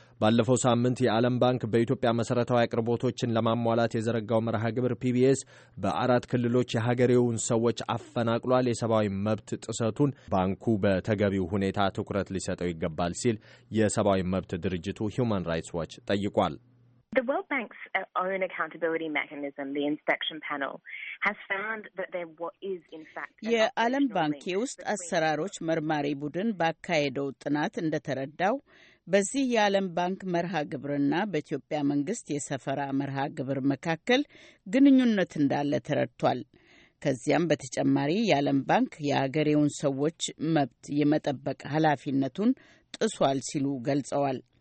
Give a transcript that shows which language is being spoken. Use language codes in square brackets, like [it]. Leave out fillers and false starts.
[am] ባለፈው ሳምንት የዓለም ባንክ በኢትዮጵያ መሰረታዊ አቅርቦቶችን ለማሟላት የዘረጋው መርሃ ግብር PBS በአራት ክልሎች የሀገሬውን ሰዎች አፈናቅሏል፣ የሰብአዊ መብት ጥሰቱን ባንኩ በተገቢው ሁኔታ ትኩረት ሊሰጠው ይገባል ሲል የሰብአዊ መብት ድርጅቱ ሂውማን ራይትስ ዋች ጠይቋል። [en] The World Bank's own accountability mechanism, the inspection panel, has found that there is in fact [am] የዓለም ባንክ የውስጥ አሰራሮች መርማሪ ቡድን ባካሄደው ጥናት እንደተረዳው በዚህ የዓለም ባንክ መርሃ ግብርና በኢትዮጵያ መንግስት የሰፈራ መርሃ ግብር መካከል ግንኙነት እንዳለ ተረድቷል። ከዚያም በተጨማሪ የዓለም ባንክ የሀገሬውን ሰዎች መብት የመጠበቅ ኃላፊነቱን ጥሷል ሲሉ ገልጸዋል።